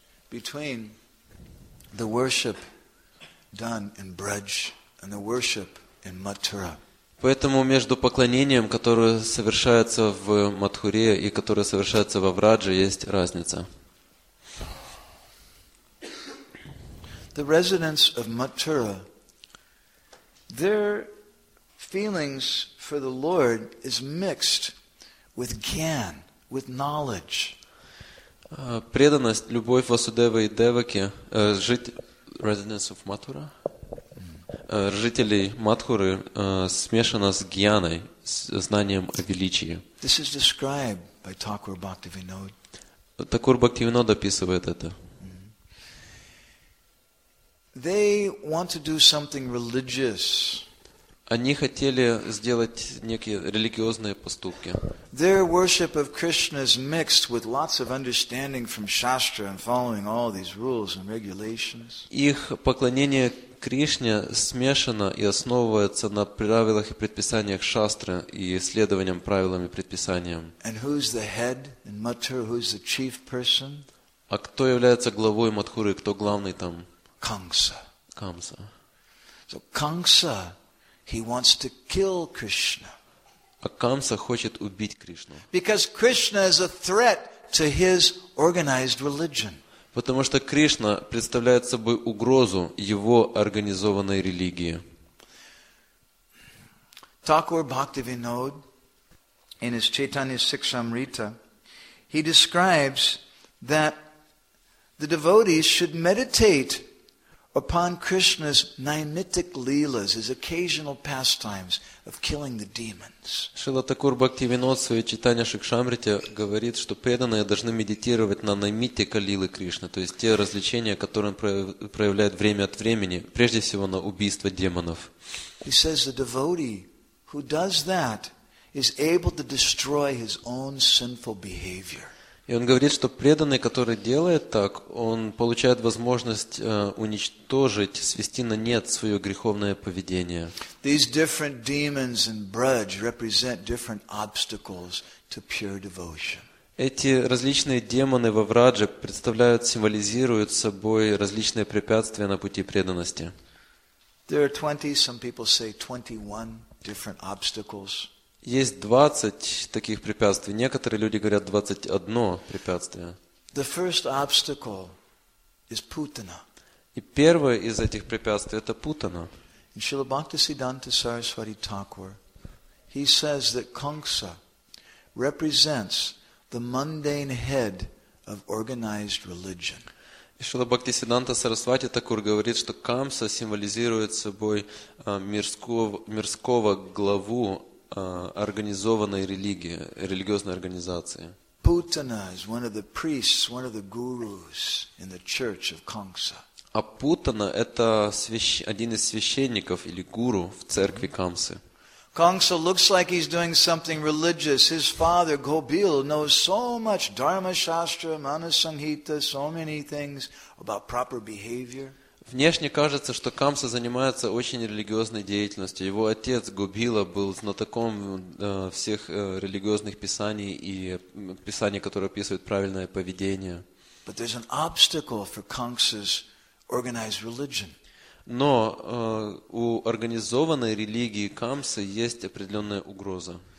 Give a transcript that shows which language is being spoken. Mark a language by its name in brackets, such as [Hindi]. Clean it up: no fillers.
[English] Between the worship done in Braj and the worship in Mathura. [Russian] Поэтому между поклонением, которое совершается в Матхуре и которое совершается во Врадже, есть разница. [English] The residents of Mathura, their feelings for the Lord is mixed with gyan, with knowledge. [Russian] Преданность, любовь Васудевы и Деваки, жителей Матхуры смешана с гьяной, с знанием о величии. [English] This is described by Thakur Bhaktivinoda. [Russian] Thakur Bhaktivinoda описывает это. [English] They want to do something religious. [Russian] Они хотели сделать некие религиозные поступки. [English] Their worship of Krishna is mixed with lots of understanding from Shastra and following all these rules and regulations. [Russian] Их поклонение Кришне смешано и основывается на правилах и предписаниях Шастры и следованием правилам и предписаниям. [English] And who's the head in Mathura? Who's the chief person? [Russian] А кто является главой Мадхуры, кто главный там? Камса. Камса. [English] So Kamsa, he wants to kill Krishna. [Russian] А Камса хочет убить Кришну. [English] Because Krishna is a threat to his organized religion. [Russian] Потому что Кришна представляет собой угрозу его организованной религии. [English] Thakur Bhaktivinod, in his Chaitanya Sikshamrita, he describes that the devotees should meditate upon Krishna's nimittic leelas, his occasional pastimes of killing the demons. [Russian] Шрила Такур Бхактивинод в своей Чайтанья Шикшамрите говорит, что преданные должны медитировать на наймиттика лилы Кришны, то есть те развлечения, которые он проявляет время от времени, прежде всего на убийство демонов. [English] He says the devotee who does that is able to destroy his own sinful behavior. [Russian] И он говорит, что преданный, который делает так, он получает возможность уничтожить, свести на нет свое греховное поведение. [English] These different demons in Braj represent different obstacles to pure devotion. [Russian] Эти различные демоны во Врадже представляют, символизируют собой различные препятствия на пути преданности. [English] There are 20, some people say 21 different obstacles. [Russian] Есть 20 таких препятствий. Некоторые люди говорят 21 препятствие. [English] The first obstacle is putana. [Russian] И первое из этих препятствий – это путана. [English] In Srila Bhaktisiddhanta Saraswati Thakur, he says that kamsa represents the mundane head of organized religion. [Russian] И Шрила Бхактисиддханта Сарасвати Такур говорит, что камса символизирует собой мирского главу организованной религии, религиозной организации. [English] Путана is one of the priests, one of the gurus in the church of Kamsa. [Russian] А Путана это один из священников или гуру в церкви Камсы. [English] Kamsa looks like he's doing something religious. His father Gobil knows so much Dharma Shastra, Manasanghita, so many things about proper behavior. [Russian] Внешне кажется, что Камса занимается очень религиозной деятельностью. Его отец Гобила был знатоком всех религиозных писаний и писаний, которые описывают правильное поведение. [English] But there's an obstacle for Kamsa's organized religion. [Russian] Но у организованной религии Камсы есть определенная угроза.